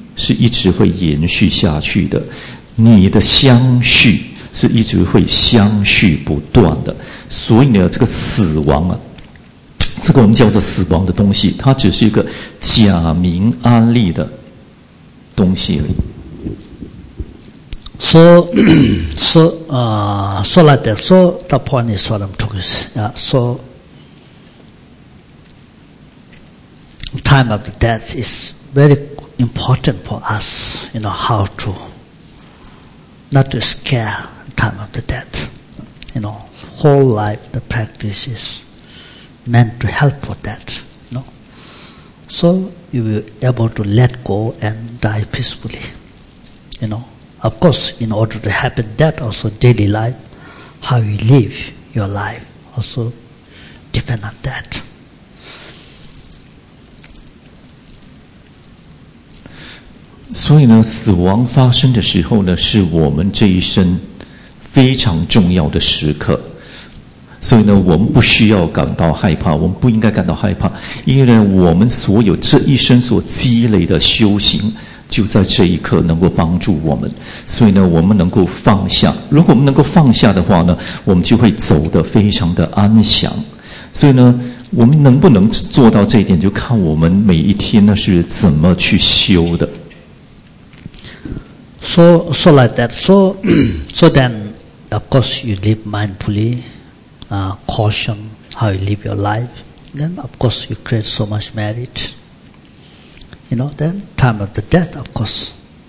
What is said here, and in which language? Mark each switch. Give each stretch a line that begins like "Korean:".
Chinese: 是一直会延续下去的，你的相续是一直会相续不断的，所以呢，这个死亡啊，这个我们叫做死亡的东西，它只是一个假名安立的东西而已。
English: So like that. So the point is what I'm talking about. Yeah, so time of the death is very important for us. You know how to not to scare time of the death. You know, whole life the practice is meant to help for that. You know, so you will be able to let go and die peacefully. You know. Of course, in order to happen, that also daily life, how you live your life, also depend on that.
Chinese: 所以呢，死亡发生的时候呢，是我们这一生非常重要的时刻。所以呢，我们不需要感到害怕，我们不应该感到害怕，因为呢，我们所有这一生所积累的修行就在这一刻能够帮助我们，所以呢，我们能够放下。如果我们能够放下的话呢，我们就会走得非常的安详。所以呢，我们能不能做到这一点，就看我们每一天呢是怎么去修的。
English: So like that. So then, of course, you live mindfully, caution how you live your life. Then, of course, you create so much merit. You know, then time of the death, of course.